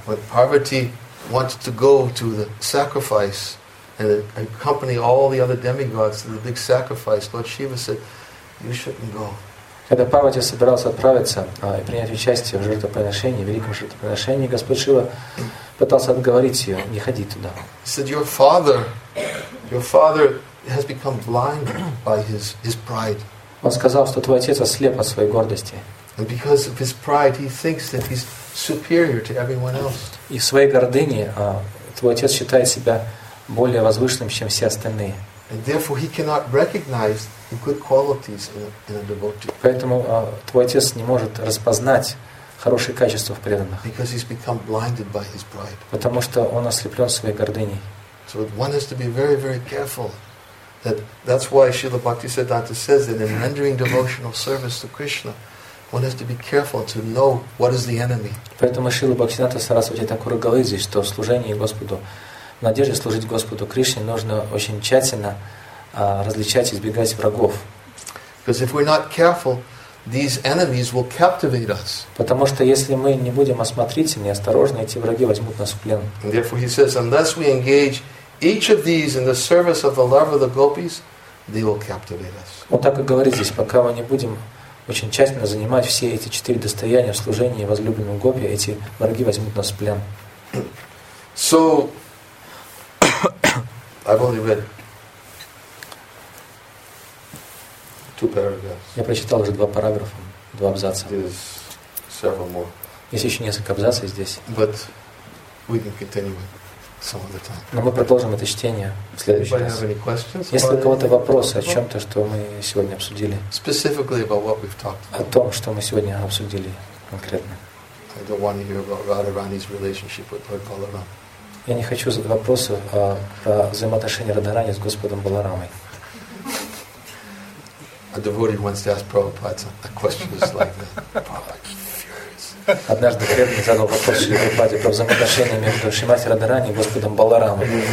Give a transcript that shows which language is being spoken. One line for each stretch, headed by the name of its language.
English: When Parvati wanted to go to the sacrifice and accompany all the other demigods to the big sacrifice, Lord Shiva said, you shouldn't go.
Russian: Когда Парвати собирался отправиться и принять участие в жертвоприношении, в великом жертвоприношении, Господь Шива пытался отговорить ее, не ходи туда.
English: He said, your father has become blind by his pride.
Russian: Он сказал, что твой отец ослеп от своей гордости.
English: And because of his pride, he thinks that he's superior to everyone else.
Russian: И в своей гордыне твой отец считает себя более возвышенным, чем все остальные.
English: And therefore, he cannot recognize the good qualities in a devotee.
Russian: Поэтому твой отец не может распознать хорошие качества в преданных.
English: Because he's become blinded by his pride.
Russian: Потому что он ослеплен своей гордыней.
English: So one has to be very, very careful. That's why Srila Bhaktisiddhanta says that in rendering devotional service to Krishna, one has to be careful to know what is the enemy.
Russian: Поэтому Шрила Бхактисиддханта Сарасвати Такура говорит здесь, что в служении Господу, в надежде служить Господу Кришне, нужно очень тщательно различать, избегать врагов.
English: Because if we're not careful, these enemies will captivate us.
Russian: Потому что если мы не будем осмотрительны и осторожны, эти враги возьмут нас в плен.
English: And therefore he says, unless we engage each of these in the service of the love of the gopis, they will captivate us.
Russian: Вот так и говорит здесь, пока мы не будем очень тщательно занимать все эти четыре достояния в служении возлюбленным гопи, эти враги возьмут нас в плен.
English: So, I've only read two paragraphs.
Russian: Я прочитал уже два параграфа, два абзаца.
English: There's several more.
Russian: Есть еще несколько абзацев здесь.
English: But we can continue it some other time.
Russian: Но мы продолжим это чтение в следующий раз.
English: Anybody have any questions?
Russian: Если у кого-то вопросы о чем-то, что мы сегодня обсудили.
English: Specifically about what we've talked about.
Russian: О том, что мы сегодня обсудили конкретно.
English: I don't want to hear about Radharani's relationship with Lord Balaram.
Russian: Я не хочу задать вопросы про взаимоотношения Радхарани с Господом Баларамой.
English: A devotee wants to ask Prabhupada a question just like that. Prabhupada furious.
Russian: Однажды преданный задал вопрос Шри Прабхупаде про взаимоотношения между Шримати Радхарани и Господом Баларамой.